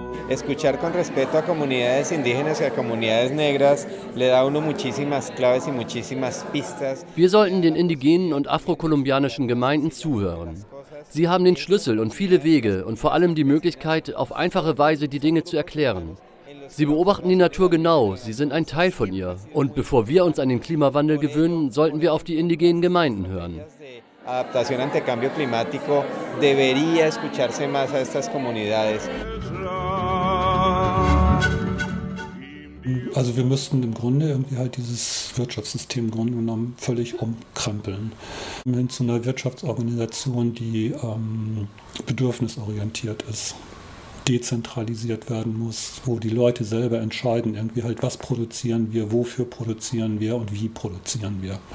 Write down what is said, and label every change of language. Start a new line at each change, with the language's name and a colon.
Spanish: Escuchar con respeto a comunidades indígenas y a comunidades negras le da uno muchísimas claves y muchísimas pistas.
German: Wir sollten den indigenen und afrokolumbianischen Gemeinden zuhören. Sie haben den Schlüssel und viele Wege und vor allem die Möglichkeit, auf einfache Weise die Dinge zu erklären. Sie beobachten die Natur genau, sie sind ein Teil von ihr. Und bevor wir uns an den Klimawandel gewöhnen, sollten wir auf die indigenen Gemeinden hören.
Spanish: Adaptación ante cambio climático debería escucharse más a estas comunidades.
German: Also wir müssten im Grunde irgendwie halt dieses Wirtschaftssystem im Grunde genommen völlig umkrempeln. Hin zu einer Wirtschaftsorganisation, die bedürfnisorientiert ist, dezentralisiert werden muss, wo die Leute selber entscheiden, irgendwie halt, was produzieren wir, wofür produzieren wir und wie produzieren wir.